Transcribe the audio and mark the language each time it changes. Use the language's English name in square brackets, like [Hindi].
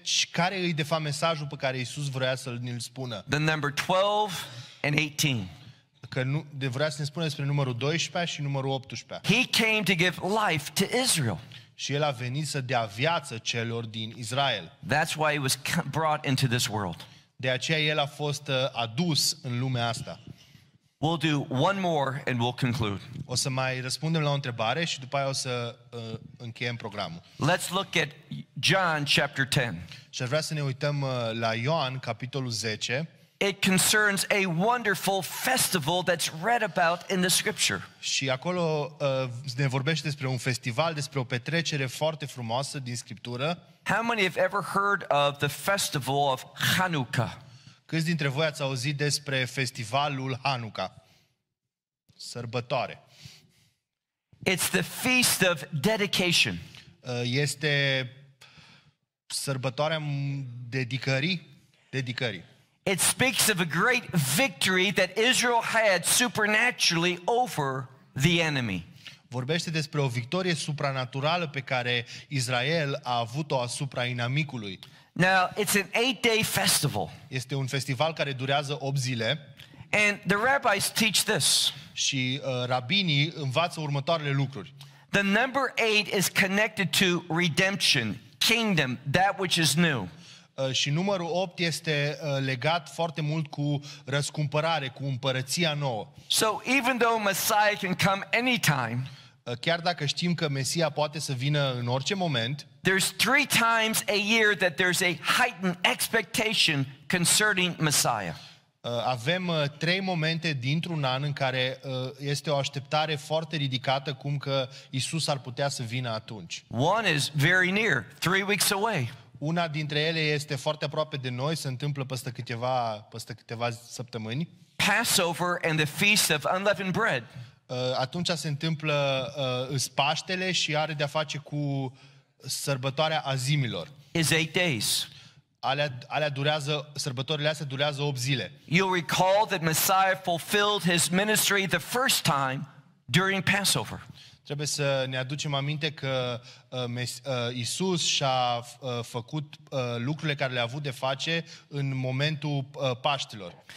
[Romanian] Care e de fapt mesajul pe care Iisus vrea să ne-l spună? [English] The number 12 and 18. [Romanian] Că nu de vrea să ne spună despre numărul 12 și numărul 18. [English] He came to give life to Israel. [Romanian] Și el a venit să dea viață celor din Israel. [English] That's why he was brought into this world. [Romanian] De aceea el a fost adus în lumea asta. [English] We'll do one more and we'll conclude. [Romanian] O să mai răspundem la o întrebare și după aia o să încheiem programul. [English] Let's look at John chapter 10. [Romanian] Și aș vrea să ne uităm la Ioan capitolul 10. [English] It concerns a wonderful festival that's read about in the scripture. [Romanian] Și acolo ne vorbește despre un festival, despre o petrecere foarte frumoasă din scriptură. [English] How many have ever heard of the festival of Hanukkah? [Romanian] Câți dintre voi ați auzit despre festivalul Hanukkah? Sărbătoare. [English] It's the feast of dedication. [Romanian] Este sărbătoarea dedicării. [English] It speaks of a great victory that Israel had supernaturally over the enemy. [Romanian] Vorbește despre o victorie supranaturală pe care Israel a avut-o asupra inamicului. [English] Now, it's an 8-day festival. [Romanian] Este un festival care durează 8 zile. [English] And the rabbis teach this. [Romanian] Și rabinii învață următoarele lucruri. [English] The number 8 is connected to redemption, kingdom, that which is new. [Romanian] Și numărul 8 este legat foarte mult cu răscumpărare, cu împărăția nouă. [English] So even though Messiah can come anytime, [Romanian] chiar dacă știm că Mesia poate să vină în orice moment, [English] there's three times a year that there's a heightened expectation concerning Messiah. [Romanian] Avem trei momente dintr-un an în care este o așteptare foarte ridicată cum că Iisus ar putea să vină atunci. [English] One is very near, 3 weeks away. [Romanian] Una dintre ele este foarte aproape de noi, se întâmplă peste câteva săptămâni. [English] Passover and the Feast of Unleavened Bread. [Romanian] Atunci se întâmplă Paștele și are de-a face cu sărbătoarea azimilor. [English] Is 8 days. [Romanian] Alea durează, sărbătorile astea durează 8 zile. [English] You recall that Messiah fulfilled his ministry the first time during Passover. [Romanian] Trebuie să ne aducem aminte că Iisus și-a făcut lucrurile care le-a avut de face în momentul Paștelor.